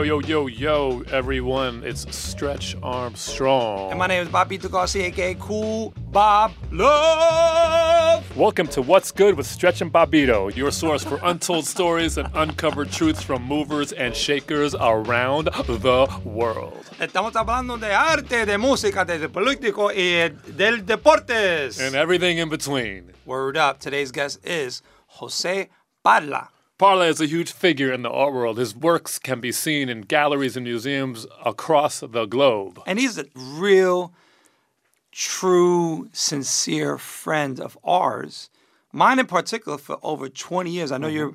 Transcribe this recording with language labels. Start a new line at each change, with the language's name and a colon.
English: Yo, everyone, it's Stretch Armstrong. And my name is Bobbito Garcia, aka Cool Bob Love. Welcome to What's Good with Stretch and Bobbito, your source for untold stories and uncovered truths from movers and shakers around the world.
Spanish: Estamos hablando de arte, de música, de político y del deportes.
English: And everything in between. Word up, today's guest is Jose Parla. Parla is a huge figure in the art world. His works can be seen in galleries and museums across the globe. And he's a real, true, sincere friend of ours. Mine in particular for over 20 years. I know you're...